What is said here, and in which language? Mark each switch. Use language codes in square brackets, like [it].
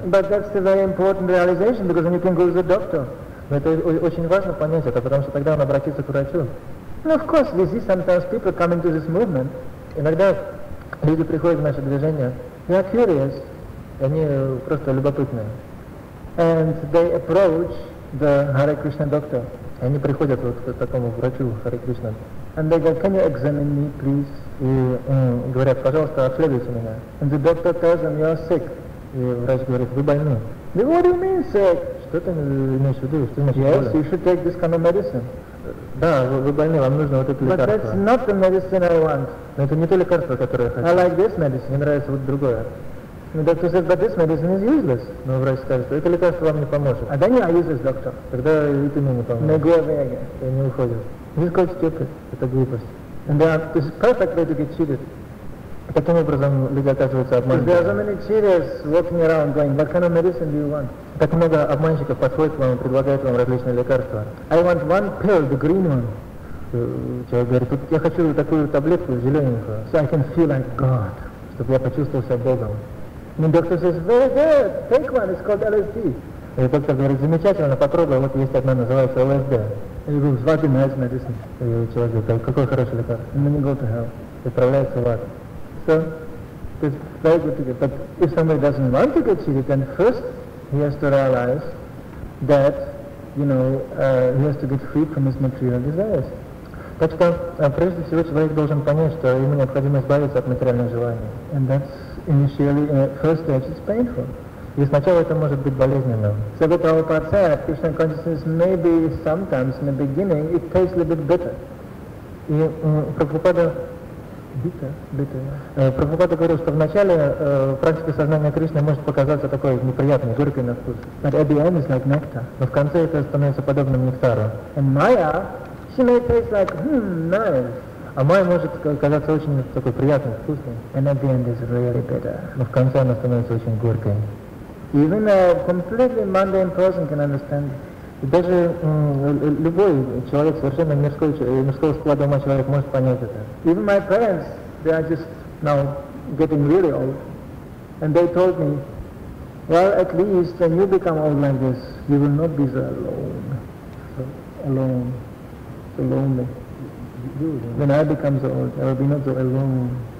[en] But that's a very important realization, because then you can go to the doctor. [ru] Но это очень важно понять это, потому что тогда он обратится к врачу. [en] Of course, we see sometimes people coming to this movement. [ru] Иногда люди приходят в наше движение. [en] They are curious. [ru] Они просто любопытные. [en] And they approach the Hare Krishna doctor. [ru] Они приходят вот к такому врачу Харе Кришна. [en] And they go, can you examine me, please? [ru] И говорят, пожалуйста, обследуйте меня. [en] And the doctor tells them, you are sick. [ru] И врач говорит, вы больны. [en] Then what do you mean sick? [ru] Что ты имеешь в виду? Что ты имеешь в виду? [en] Yes, you should take this kind of medicine. [ru] Да, вы больны, вам нужно вот это [en] But [ru] лекарство. [en] But that's not the medicine I want. [ru] Но это не то лекарство, которое я хочу. [en] I like this medicine. [ru] Мне нравится вот другое. [en] The doctor says, but this medicine is useless. [ru] Но врач скажет, это лекарство вам не поможет. [en] And then you are useless, doctor. [ru] Тогда и ты мне не поможешь. [en] And I go away again. [ru] И они уходят. [en] This is called stupid. [ru] Это глупость. [en] And they are, this is perfect way to get cheated. [ru] Таким образом люди оказываются обманщиками. [en] There are so many cheaters walking around going, what kind of medicine do you want? [ru] Так много обманщиков подходит к вам и предлагает вам различные лекарства. [en] I want one pill, the green one. [ru] Человек говорит, вот я хочу такую таблетку, зелененькую. [en] So I can feel like God. [ru] Чтобы я почувствовал себя Богом. [en] And the doctor says, very good, take one, it's called LSD. [ru] И доктор говорит, замечательно, попробуй, вот есть одна, называется LSD. [en] And he goes, what a nice medicine. [ru] И человек говорит, какой хороший лекарство. [en] And then you go to hell. [ru] И отправляется в ад. [en] So, it's very good to get. But if somebody doesn't want to get cheated, then first he has to realize that, you know, he has to get free from his material desires. [ru] Так что, прежде всего, человек должен понять, что ему необходимо избавиться от материальных желаний. [en] And that's initially, first stage is painful. [ru] И сначала это может быть болезненным. [en] So the Prabhupada said, Krishna consciousness may be sometimes in the beginning, it tastes a little bit bitter. [ru] И Прабхупада... [en] Bitter, yeah. [ru] Прабхупада говорил, что вначале практика сознания Кришны может показаться такой неприятной, горькой на вкус. [en] But at the end it's like nectar. [ru] Но в конце это становится подобным нектару. [en] And Maya, she may taste like, nice. [ru] А майя может казаться очень такой приятной, вкусной. [en] And at the end it's really bitter. [ru] Но в конце она становится очень горькой. [en] Even a completely mundane person can understand. [ru] Даже любой человек, совершенно мирского склада ума человек может понять это. [en] Even my parents, they are just now getting really old. And they told me, well, at least when you become old like this, you will not be so alone. So alone. So lonely. When I become so old, I will be not so alone.